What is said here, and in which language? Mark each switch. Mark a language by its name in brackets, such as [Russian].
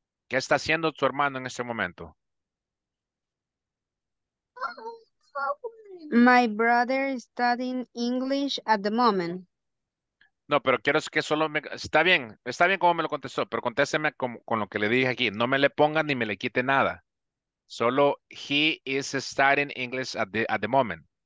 [Spanish] ¿Qué está haciendo tu hermano en este momento? [English] My brother is studying English at the moment. [Spanish] No, pero quiero que solo me... está bien como me lo contestó, pero contésteme con lo que le dije aquí. No me le ponga ni me le quite nada. Solo [English] he is studying English at the moment.